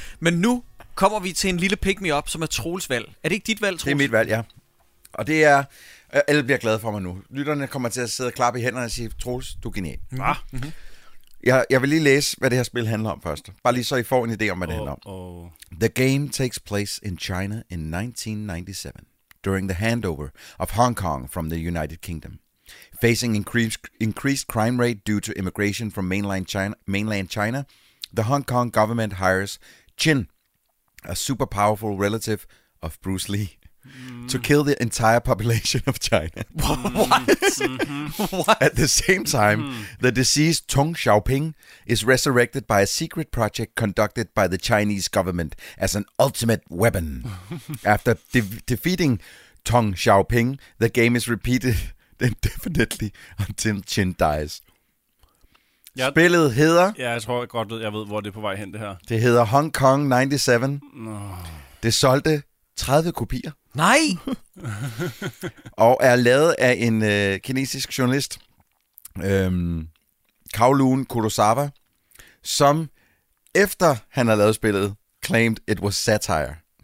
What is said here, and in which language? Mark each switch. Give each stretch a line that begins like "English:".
Danish: Men nu kommer vi til en lille pick-me-up, som er Troels valg. Er det ikke dit valg, Troels? Det er mit valg, ja. Og det er... Alle bliver glade for mig nu. Lytterne kommer til at sidde og klappe i hænderne og sige, Troels, du er genial. Mm-hmm. Jeg vil lige læse, hvad det her spil handler om først. Bare lige så I får en idé om, hvad det handler om.
English: The game takes place in China in 1997, during the handover of Hong Kong from the United Kingdom. Facing increased crime rate due to immigration from mainland China, the Hong Kong government hires Chin, a super powerful relative of Bruce Lee, to kill the entire population of China. What? At the same time, the deceased Tung Xiaoping is resurrected by a secret project conducted by the Chinese government as an ultimate weapon. After defeating Tung Xiaoping, the game is repeated indefinitely until Chin dies.
Danish: Spillet hedder... Ja, jeg tror godt, jeg ved, hvor det er på vej hen, det her. Det hedder Hong Kong 97. Det solgte 30 kopier. Nej! Og er lavet af en kinesisk journalist, Kowloon Kurosawa, som efter han har lavet spillet, claimed it was satire.